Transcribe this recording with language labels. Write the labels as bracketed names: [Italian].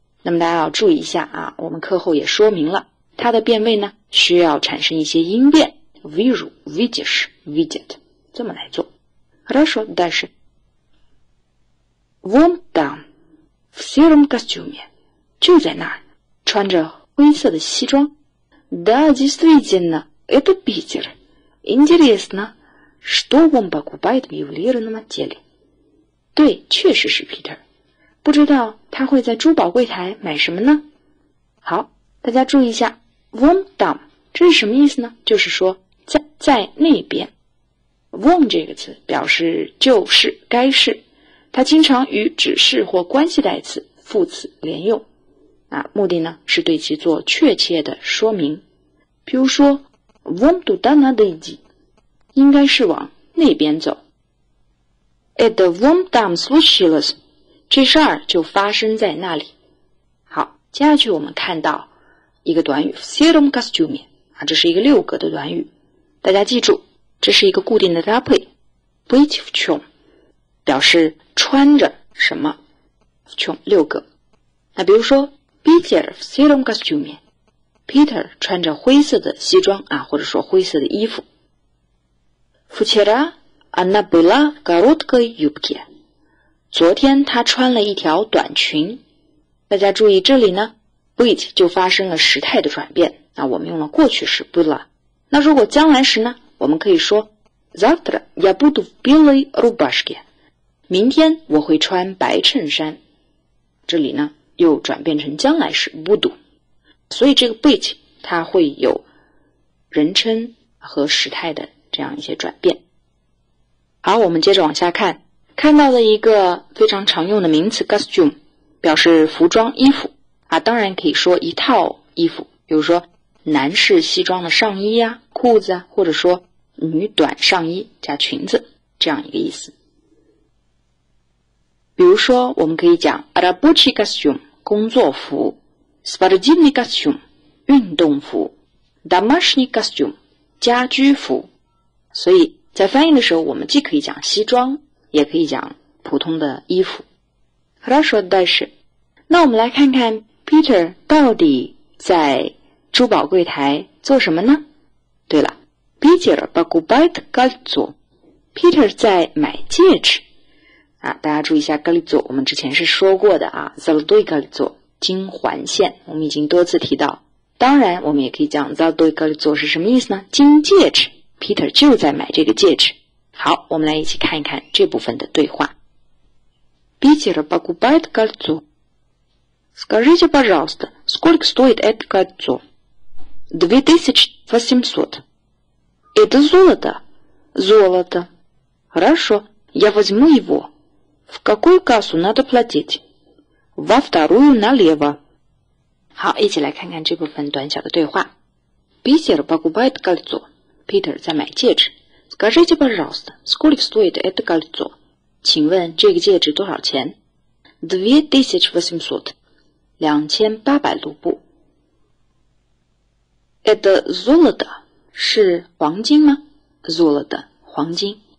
[Chinese] 那么大家要注意一下啊，我们课后也说明了，它的变位呢，需要产生一些音变 ， [Russian] вижу、видеть、видеть， [Chinese] 这么来做。 [Russian] Хорошо, дальше. Вон там, в сером костюме， [Chinese] 就在那儿，穿着灰色的西装。 [Russian] Да, действительно, это Питер. Интересно, что он покупает в ювелирном отделе? [Chinese] 对，确实是 Питер. 不知道他会在珠宝柜台买什么呢？好，大家注意一下 ， [Russian] Вон там [Chinese] 这是什么意思呢？就是说在那边。Вон 这个词表示就是、该是，它经常与指示或关系代词、副词连用。啊，目的呢是对其做确切的说明，比如说 [Russian] вон туда надо идти， [Chinese] 应该是往那边走。 [Russian] Это вон там случилось， [Chinese] 这事儿就发生在那里。好，接下去我们看到一个短语 [Russian] в сером костюме， [Chinese] 啊，这是一个六格的短语，大家记住，这是一个固定的搭配 [Russian] быть в чём， [Chinese] 表示穿着什么 [Russian] в чём [Chinese] 六格。那比如说 [Russian] Peter в сером костюме. [Chinese] Peter 穿着灰色的西装啊，或者说灰色的衣服。 [Russian] Вчера она была в короткой юбке. [Chinese] 昨天她穿了一条短裙。大家注意这里呢 ，быть 就发生了时态的转变。那我们用了过去式 была。那如果将来时呢，我们可以说 [Russian] Завтра я буду в білій рубашці. [Chinese] 明天我会穿白衬衫。这里呢？又转变成将来时 буду， 所以这个 быть 它会有人称和时态的这样一些转变。好，我们接着往下看，看到了一个非常常用的名词 costume， 表示服装衣服啊，当然可以说一套衣服，比如说男士西装的上衣啊、裤子啊，或者说女短上衣加裙子这样一个意思。比如说我们可以讲 [Russian] рабочий костюм [Chinese] 工作服， [Russian] спортивный костюм [Chinese] 运动服， [Russian] домашний костюм [Chinese] 家居服。所以在翻译的时候，我们既可以讲西装，也可以讲普通的衣服。 [Russian] Хорошо, дальше. [Chinese] 那我们来看看 Peter 到底在珠宝柜台做什么呢？对了， [Russian] Peter покупает кольцо， [Chinese] Peter 在买戒指啊，大家注意一下 ，кольцо， 我们之前是说过的啊 ， [Russian] золотое кольцо， [Chinese] 金环线，我们已经多次提到。当然，我们也可以讲 [Russian] золотое кольцо [Chinese] 是什么意思呢？金戒指。 Peter 就在买这个戒指。好，我们来一起看一看这部分的对话。 [Russian] Peter покупает кольцо. Скажите, пожалуйста, сколько стоит это кольцо? 2800. Это золото? Золото. Хорошо, я возьму его. В какую кассу надо платить? Во вторую налево. [Chinese] 好，一起来看看这部分短小的对话。 [Russian] Питер покупает кольцо. [Chinese] Питер 在买戒指。 [Russian] Скажите, пожалуйста, сколько стоит это кольцо? [Chinese] 请问这个戒指多少钱？ [Russian] 2800. [Chinese] 2800卢布。 [Russian] Это золото. [Chinese] 是黄金吗？Золото, 黄金。